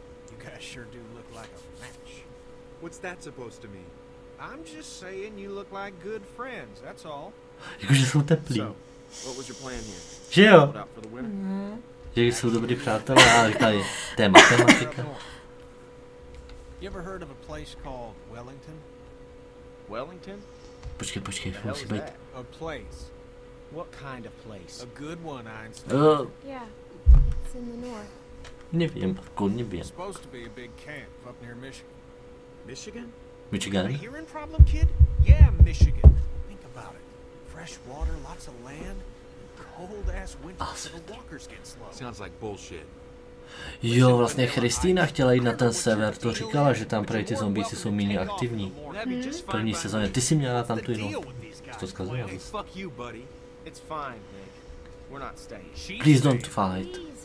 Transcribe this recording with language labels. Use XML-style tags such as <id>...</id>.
<en>You guys sure do look like a match. What's that supposed to mean? I'm just saying you look like good friends, that's all.</en> <cs>Jakože jsou teplý.</cs> <en>So, what was your plan here?</en> <cs>Že jo?</cs> <en>Mm-hmm.</en> <cs>Že jsou dobrý přátelé a říkali, to je matematika.</cs> <en>You ever heard of a place called Wellington?</en> <cs>Wellington? Počkej, musí být.</cs> <en>A place. What kind of place? A good one, Einstein. Yeah. It's in the north.</en> <cs>Nevím.</cs> <en>It's supposed to be a big camp up near Michigan. Michigan? A hearing problem, kid? Yeah, Michigan. Think about it. Fresh water, lots of land, and cold ass winter, so the walkers get slow. Sounds like bullshit.</en> <cs>Jo, vlastně Christina chtěla jít na ten sever, to říkala, že tam prej ty zombíci jsou méně aktivní. Mm-hmm. První sezóně, ty jsi měla tam tu jinou. Jsi to zkazila zase.</cs> <en>It's fine, Nick. We're not staying. Please don't fight.</en>